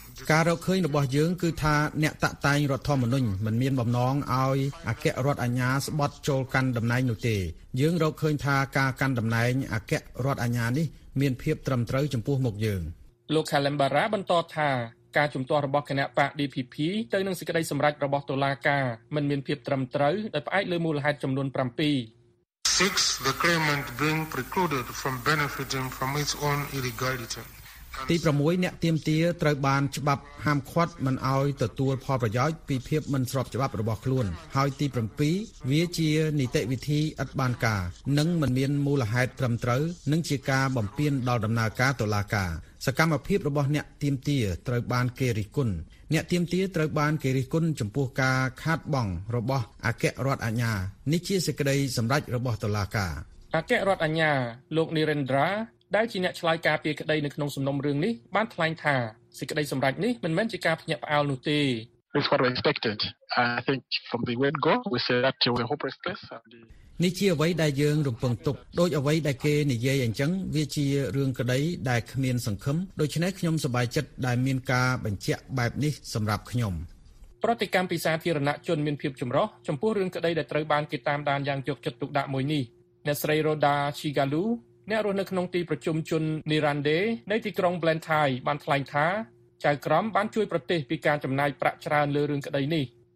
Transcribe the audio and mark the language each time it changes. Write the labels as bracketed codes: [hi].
[km] ការរកឃើញរបស់យើងគឺថាអ្នកតតែងរដ្ឋធម្មនុញ្ញមិនមានបំណងឲ្យអគ្គរដ្ឋអញ្ញាស្បត់ចូលកាន់តំណែងនោះទេយើងរកឃើញថាការកាន់តំណែងអគ្គរដ្ឋអញ្ញានេះមានភាពត្រឹមត្រូវចំពោះមុខយើង លោក Calambora បន្តថាការជំទាស់របស់គណៈបក DPP ទៅនឹងសេចក្តីសម្រេចរបស់តុលាការមិនមានភាពត្រឹមត្រូវដោយផ្អែកលើមូលហេតុចំនួន7 [en] 6 the claimant being precluded from benefiting from its own illegality [km] ទី6អ្នកទៀមទាត្រូវបានច្បាប់ហាមឃាត់មិនឲ្យទទួលផលប្រយោជន៍ពីភាពមិនស្របច្បាប់របស់ខ្លួនហើយទី7វាជានីតិវិធីអត់បានការនិងមិនមានមូលហេតុត្រឹមត្រូវនិងជាការបំពានដល់ដំណើរការតុលាការសកម្មភាពរបស់អ្នកទៀមទាត្រូវបានគេរិះគន់អ្នកទៀមទាត្រូវបានគេរិះគន់ចំពោះការខាតបង់របស់អគ្គរដ្ឋអញ្ញានេះជាសេចក្តីសម្រេចរបស់តុលាការ អគ្គរដ្ឋអញ្ញាលោក Narendra ដែលជាអ្នកឆ្លើយការពីក្តីនៅក្នុងសំណុំរឿងនេះបានថ្លែងថាសេចក្តីសម្រេចនេះមិនមែនជាការភ្ញាក់ផ្អើលនោះទេ [en] This what we expected I think from the word go we said that we hope is this [km] នេះជាអ្វីដែលយើងរំពឹងទុកដោយអ្វីដែលគេនិយាយអញ្ចឹងវាជារឿងក្តីដែលគ្មានសង្ឃឹមដូច្នេះខ្ញុំសប្បាយចិត្តដែលមានការបញ្ជាក់បែបនេះសម្រាប់ខ្ញុំ ប្រតិកម្មពីសាធារណជនមានភាពចម្រុះចំពោះរឿងក្តីដែលត្រូវបានគេតាមដានយ៉ាងយកចិត្តទុកដាក់មួយនេះអ្នកស្រី Roda Chigalu អ្នករស់នៅក្នុងទីប្រជុំជន Nirande នៃទីក្រុង Blantyre បានថ្លែងថាចៅក្រមបានជួយប្រទេសពីការចំណាយប្រាក់ច្រើនលើរឿងក្តីនេះ